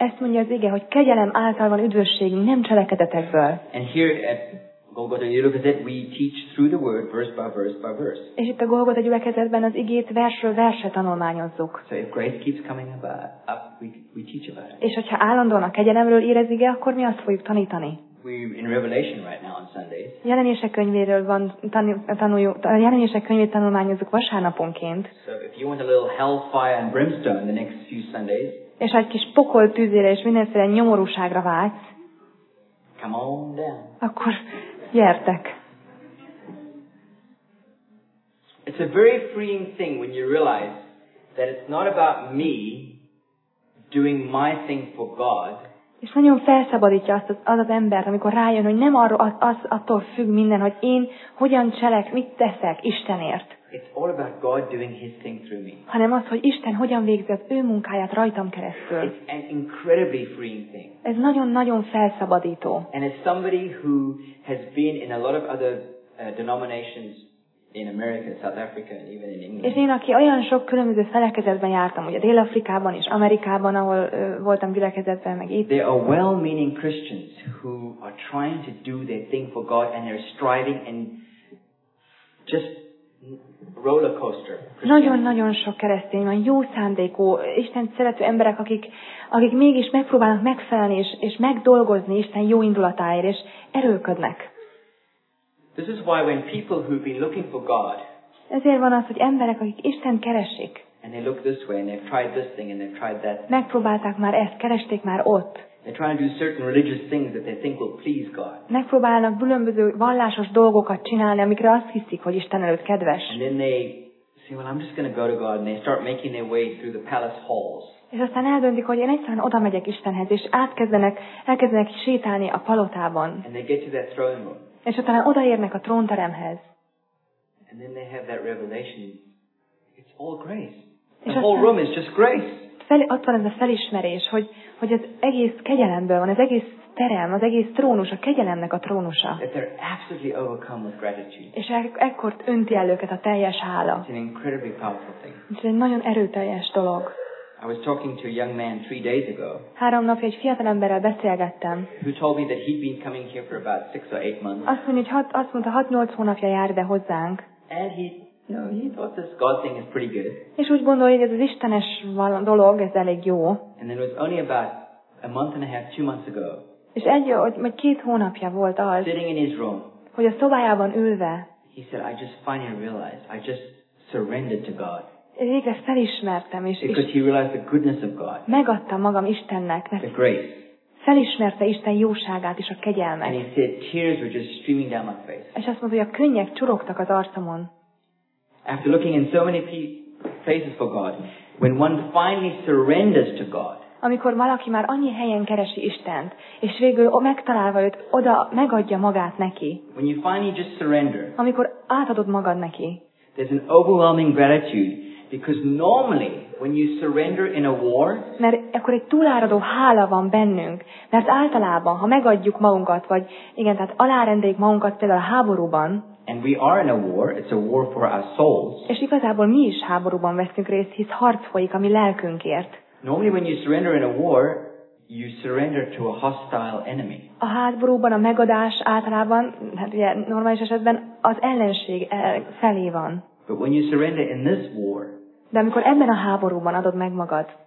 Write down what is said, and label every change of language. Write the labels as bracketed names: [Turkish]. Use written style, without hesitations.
[Hungarian] Ezt mondja az ige, hogy kegyelem által van üdvösségünk, nem cselekedetekből. [English] And here at Golgotha gyülekezet, we teach through the word, verse by verse by verse. [Hungarian] És itt a Golgotha gyülekezetben az igét versről versre tanulmányozzuk. [English] So if grace keeps coming up, we teach about it. [Hungarian] És hogyha állandóan a kegyelemről ír az ige, akkor mi azt fogjuk tanítani? [English] We're in Revelation right now on Sundays. [Hungarian] Jelenések könyvéről van tanuljuk. Jelenések könyvét tanulmányozzuk vasárnaponként. [English] So if you want a little hellfire and brimstone the next few Sundays. [Hungarian] És egy kis pokol tűzére és mindenféle nyomorúságra vágysz. [English] Come on down. [Hungarian] Akkor gyertek. [English] It's a very freeing thing when you realize that it's not about me doing my thing for God. [Hungarian] És nagyon felszabadítja azt az embert, amikor rájön, hogy nem arról az attól függ minden, hogy én hogyan cselek, mit teszek Istenért. [English] It's all about God doing his thing through me. [Hungarian] Hanem az, hogy Isten hogyan végzi az ő munkáját rajtam keresztül. [English] It's an incredibly freeing thing. [Hungarian] Ez nagyon-nagyon felszabadító. [English] And as somebody who has been in a lot of other denominations in America, South Africa, and even in England. [Hungarian] És én, aki olyan sok különböző felekezetben jártam, ugye Dél-Afrikában és Amerikában, ahol voltam gyülekezetben, meg itt. [English] There are well-meaning Christians who are trying to do their thing for God, and they're striving and just roller coaster. [Hungarian] Nagyon-nagyon sok keresztény van, jó szándékú, Isten szerető emberek, akik mégis megpróbálnak megfelelni és megdolgozni Isten jó indulatáért, és erőködnek. [English] This is why when people who've been looking for God. [Hungarian] Ezért van az, hogy emberek, akik Istent keresik. [English] And they look this way and they've tried this thing and they've tried that. [Hungarian] Megpróbálták már ezt, keresték már ott. [English] They're trying to do certain religious things that they think will please God. [Hungarian] Megpróbálnak különböző vallásos dolgokat csinálni, amikre azt hiszik, hogy Isten előtt kedves. [English] And then they say, well, I'm just going to go to God, and they start making their way through the palace halls. [Hungarian] És aztán eldöntik, hogy én egyszerűen oda megyek Istenhez, és elkezdenek sétálni a palotában. [English] And they get to that throne room. [Hungarian] És utána odaérnek a trónteremhez. [English] And then they have that revelation. It's all grace. The whole room is just grace. [Hungarian] Ott van ez a felismerés, hogy az egész kegyelemből van, az egész terem, az egész trónus, a kegyelemnek a trónusa. [English] That they're absolutely overcome with gratitude. [Hungarian] És ekkor önti el őket a teljes hála. [English] It's an incredibly powerful thing. [Hungarian] Ez egy nagyon erőteljes dolog. [English] I was talking to a young man 3 days ago. [Hungarian] 3 napja egy fiatal emberrel beszélgettem. [English] Who told me that he'd been coming here for about 6 or 8 months. [Hungarian] Azt mondta, 6-8 hónapja jár ide hozzánk. [English] And he thought this God thing is pretty good. [Hungarian] És úgy gondolja, hogy ez az istenes dolog, ez elég jó. [English] And then it was only about a month and a half, 2 months ago. [Hungarian] És majd 2 hónapja volt az. [English] Sitting in his room. [Hungarian] Hogy a szobájában ülve. [English] He said, I just finally realized, I just surrendered to God. [Hungarian] Végre felismertem is. [English] Because he realized the goodness of God. [Hungarian] Megadtam magam Istennek. [English] The grace. [Hungarian] Felismerte Isten jóságát és a kegyelmet. [English] And he said, tears were just streaming down my face. [Hungarian] És azt mondta, hogy a könnyek csurogtak az arcomon. [English] After looking in so many places for God, when one finally surrenders to God. [Hungarian] Amikor valaki már annyi helyen keresi Istent, és végül megtalálva őt, oda megadja magát neki. [English] When you finally just surrender. [Hungarian] Amikor átadod magad neki. [English] There's an overwhelming gratitude. Because normally, when you surrender in a war, [Hungarian] mert akkor egy túláradó hála van bennünk, mert általában, ha megadjuk magunkat, vagy igen, tehát alárendeljük magunkat például a háborúban, [English] and we are in a war, it's a war for our souls, [Hungarian] és igazából mi is háborúban veszünk részt, hisz harc folyik a mi lelkünkért. [English] Normally, when you surrender in a war, you surrender to a hostile enemy. [Hungarian] A háborúban a megadás általában, hát ugye normális esetben az ellenség felé van. [English] But when you surrender in this war, [Hungarian] de amikor ebben a háborúban adod meg magad,